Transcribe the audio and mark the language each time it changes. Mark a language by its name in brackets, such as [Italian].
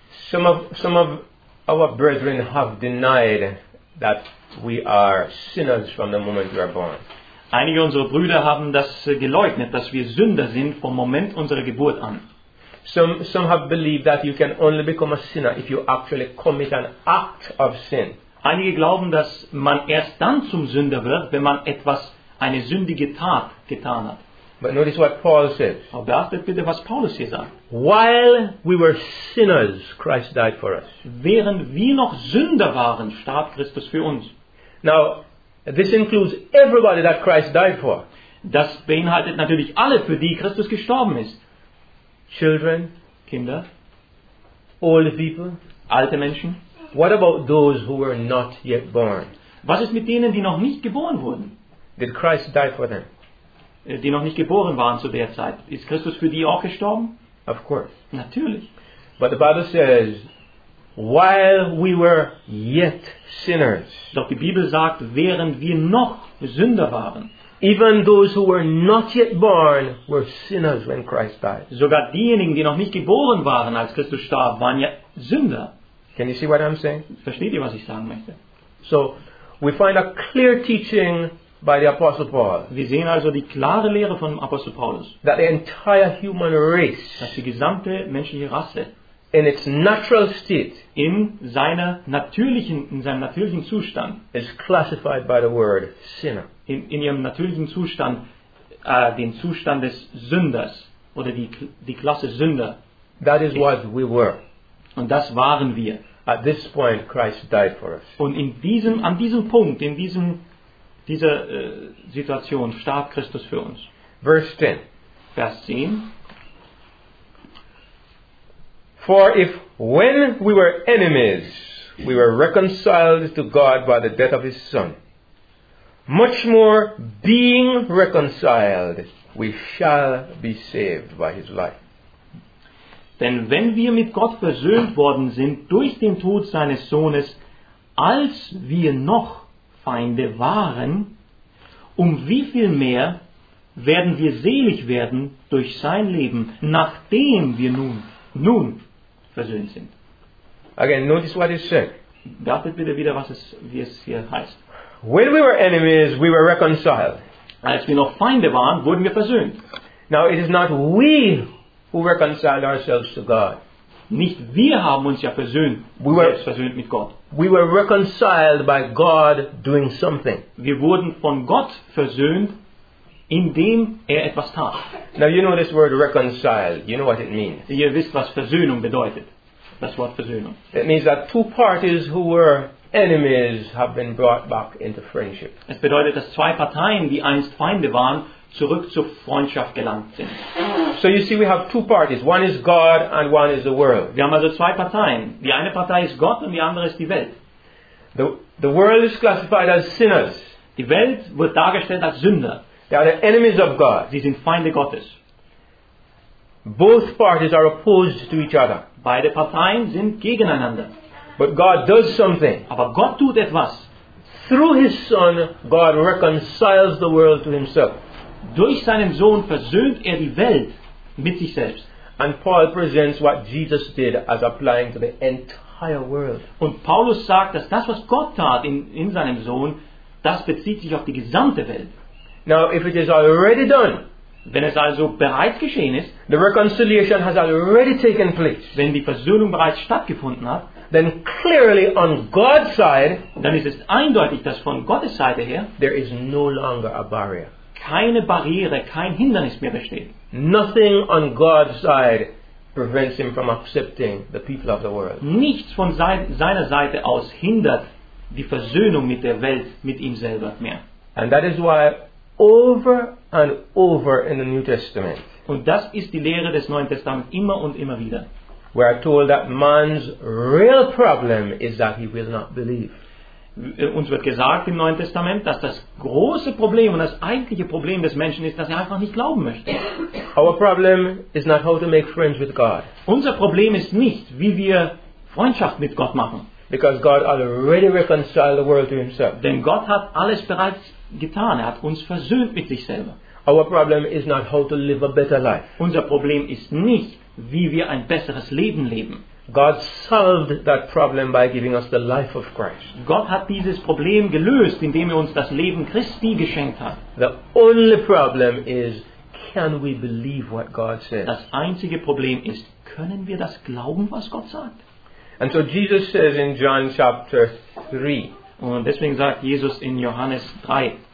[English] Some of our brethren have denied that we are sinners from the moment we are born. [German] Einige unserer Brüder haben das geleugnet, dass wir Sünder sind vom Moment unserer Geburt an. [English] Some have believed that you can only become a sinner if you actually commit an act of sin. [German] Einige glauben, dass man erst dann zum Sünder wird, wenn man etwas, eine sündige Tat getan hat. [English] But notice what Paul says. [German] Aber beachtet bitte, was Paulus hier sagt. [English] While we were sinners, Christ died for us. [German] Während wir noch Sünder waren, starb Christus für uns. [English] Now, this includes everybody that Christ died for. [German] Das beinhaltet natürlich alle, für die Christus gestorben ist. [English] Children, [German] Kinder, [English] old people, [German] alte Menschen. [English] What about those who were not yet born? [German] Was ist mit denen, die noch nicht geboren wurden? [English] Did Christ die for them? [German] Die noch nicht geboren waren zu der Zeit, ist Christus für die auch gestorben? [English] Of course. [German] Natürlich. [English] But the Bible says, while we were yet sinners. [German] Doch die Bibel sagt, während wir noch Sünder waren. [English] Even those who were not yet born were sinners when Christ died. [German] Sogar diejenigen, die noch nicht geboren waren, als Christus starb, waren ja Sünder. [English] Can you see what I'm saying? [German] Versteht ihr, was ich sagen möchte? [English] So, we find a clear teaching by the Apostle Paul. [German] Wir sehen also die klare Lehre von Apostel Paulus. [English] That the entire human race, [German] dass die gesamte menschliche Rasse, [English] in its natural state, [German] in seinem natürlichen Zustand, [English] is classified by the word sinner. [German] In ihrem natürlichen Zustand, den Zustand des Sünders oder die Klasse Sünder. [English] That is what we were. [German] Und das waren wir. [English] At this point, Christ died for us. [German] Und in diesem, an diesem Punkt, in diesem, dieser Situation, starb Christus für uns. [English] Verse 10. [German] Vers 10. [English] For if when we were enemies, we were reconciled to God by the death of his Son, much more being reconciled, we shall be saved by his life. [German] Denn wenn wir mit Gott versöhnt worden sind durch den Tod seines Sohnes, als wir noch Feinde waren, um wie viel mehr werden wir selig werden durch sein Leben, nachdem wir nun versöhnt sind. [English] Again, notice what it said. [German] Beachtet bitte wieder, was es, wie es hier heißt. [English] When we were enemies, we were reconciled. [German] Als wir noch Feinde waren, wurden wir versöhnt. [English] Now it is not we who reconciled ourselves to God. [German] Nicht wir haben uns ja versöhnt. [English] We were [German] selbst versöhnt mit Gott. [English] We were reconciled by God doing something. [German] Wir wurden von Gott versöhnt, indem er etwas tat. [English] Now you know this word reconciled. You know what it means. [German] Ihr wisst, was Versöhnung bedeutet. Das Wort Versöhnung. [English] It means that two parties who were enemies have been brought back into friendship. [German] Es bedeutet, dass zwei Parteien, die einst Feinde waren, zurück zur Freundschaft gelangt sind. [English] So you see, we have two parties. One is God and one is the world. [German] Wir haben also zwei Parteien. Die eine Partei ist Gott und die andere ist die Welt. [English] The world is classified as sinners. [German] Die Welt wird dargestellt als Sünder. [English] They are the enemies of God. [German] Sie sind Feinde Gottes. [English] Both parties are opposed to each other. [German] Beide Parteien sind gegeneinander. [English] But God does something. [German] Aber Gott tut etwas. [English] Through his Son, God reconciles the world to himself. [German] Durch seinen Sohn versöhnt er die Welt mit sich selbst. [English] And Paul presents what Jesus did as applying to the entire world. [German] Und Paulus sagt, dass das, was Gott tat in seinem Sohn, das bezieht sich auf die gesamte Welt. [English] Now, if it is already done, [German] wenn es also bereits geschehen ist, [English] the reconciliation has already taken place, [German] wenn die Versöhnung bereits stattgefunden hat, [English] then clearly on God's side, [German] dann ist es eindeutig, dass von Gottes Seite her, [English] there is no longer a barrier. [German] Keine Barriere, kein Hindernis mehr besteht. [English] Nothing on God's side prevents him from accepting the people of the world. [German] Nichts von seiner Seite aus hindert die Versöhnung mit der Welt, mit ihm selber mehr. [English] And that is why over and over in the New Testament, [German] und das ist die Lehre des Neuen Testaments immer und immer wieder. [English] We are told that man's real problem is that he will not believe. [German] Uns wird gesagt im Neuen Testament, dass das große Problem und das eigentliche Problem des Menschen ist, dass er einfach nicht glauben möchte. [English] Our problem is not how to make friends with God. [German] Unser Problem ist nicht, wie wir Freundschaft mit Gott machen. [English] Because God already reconciled the world to himself. [German] Denn Gott hat alles bereits getan. Er hat uns versöhnt mit sich selber. [English] Our problem is not how to live a better life. [German] Unser Problem ist nicht, wie wir ein besseres Leben leben. [English] God solved that problem by giving us the life of Christ. [German] Gott hat dieses Problem gelöst, indem er uns das Leben Christi geschenkt hat. [English] The only problem is, can we believe what God says? [German] Das einzige Problem ist, können wir das glauben, was Gott sagt? [English] And so Jesus says in John chapter 3. [German] Und deswegen sagt Jesus in Johannes 3.